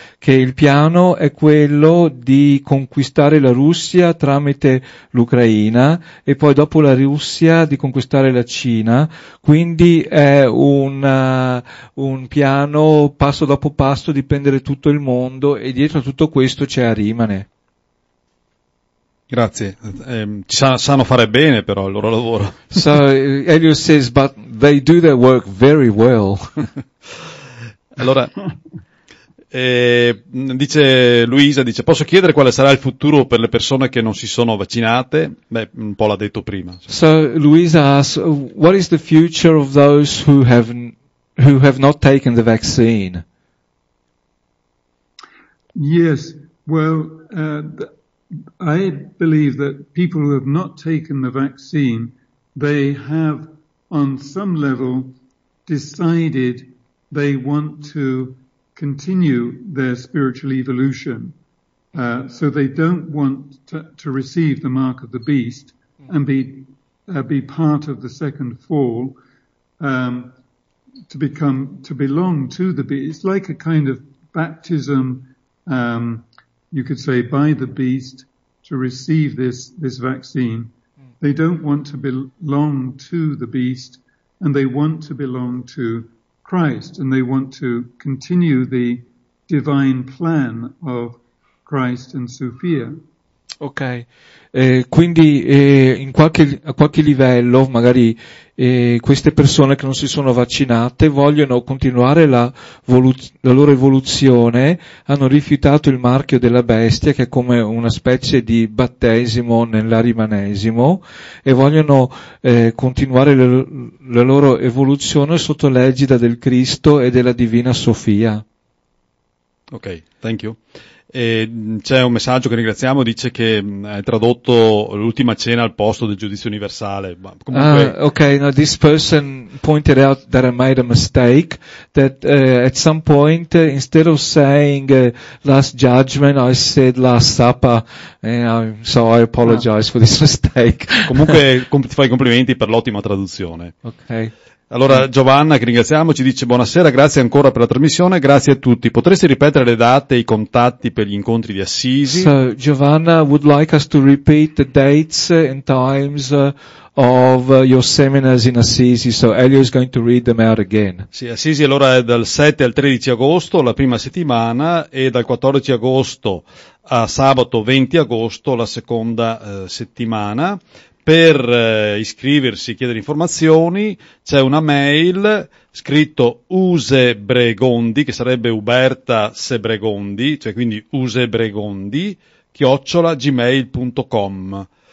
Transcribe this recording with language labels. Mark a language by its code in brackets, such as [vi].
[it] Che il piano è quello di conquistare la Russia tramite l'Ucraina e poi dopo la Russia di conquistare la Cina. Quindi è un piano passo dopo passo di prendere tutto il mondo, e dietro a tutto questo c'è Arimane. Grazie. Ci sanno fare bene però il loro lavoro. [en] So Elio says, but they do their work very well. [it] Allora, dice Luisa, dice, posso chiedere quale sarà il futuro per le persone che non si sono vaccinate? Beh, un po' l'ha detto prima. [en] So Luisa asks, what is the future of those who have not taken the vaccine? Yes, well, I believe that people who have not taken the vaccine, they have on some level decided they want to continue their spiritual evolution. So they don't want to receive the mark of the beast and be part of the second fall, to belong to the beast. It's like a kind of baptism, you could say, by the beast, to receive this vaccine. They don't want to belong to the beast, and they want to belong to Christ, and they want to continue the divine plan of Christ and Sophia. [it] Ok, quindi a qualche livello magari queste persone che non si sono vaccinate vogliono continuare la loro evoluzione, hanno rifiutato il marchio della bestia, che è come una specie di battesimo nell'arimanesimo, e vogliono continuare la loro evoluzione sotto l'egida del Cristo e della Divina Sofia. [en] Ok, thank you. [it] E c'è un messaggio che ringraziamo, dice che è tradotto l'ultima cena al posto del giudizio universale. Ma comunque... [en] Okay, now this person pointed out that I made a mistake, that at some point instead of saying last judgment I said last supper, so I apologize for this mistake. [it] Comunque ti fai complimenti per l'ottima traduzione. Okay. Allora Giovanna, che ringraziamo, ci dice buonasera, grazie ancora per la trasmissione, grazie a tutti. Potresti ripetere le date e i contatti per gli incontri di Assisi? [en] So, Giovanna would like us to repeat the dates and times of your seminars in Assisi, so Elio is going to read them out again. [it] Sì, Assisi allora è dal 7 al 13 agosto, la prima settimana, e dal 14 agosto a sabato 20 agosto, la seconda settimana. Per iscriversi, chiedere informazioni, c'è una mail scritto Use Bregondi, che sarebbe Uberta Sebregondi, cioè quindi usebregondi@gmail.com.